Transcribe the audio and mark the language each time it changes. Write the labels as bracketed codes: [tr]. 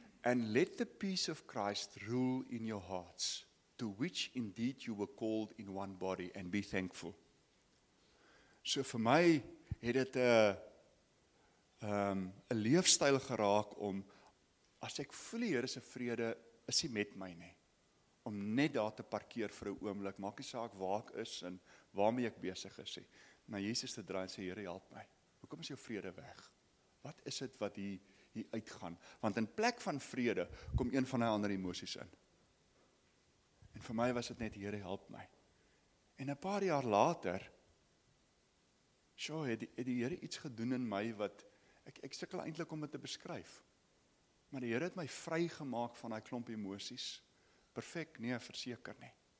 [en] And let the peace of Christ rule in your hearts, to which indeed you were called in one body, and be thankful. [af] So vir my het dit 'n leefstyl geraak om, as ek voel die Here se vrede is hy met my nie, om net daar te parkeer vir 'n oomblik, maak nie saak waar ek is en waarmee ek besig is nie, na Jesus te draai en sê, Here, help my. Hoekom is jou vrede weg? Wat is dit wat hier uitgaan? Want in plek van vrede kom een van die ander emosies in. En vir my was dit net, Here, help my. En 'n paar jaar later, het die Here iets gedoen in my wat ek sukkel eintlik om dit te beskryf. Maar die Here het my vrygemaak van daai klomp emosies. Perfek, nee, verseker nie.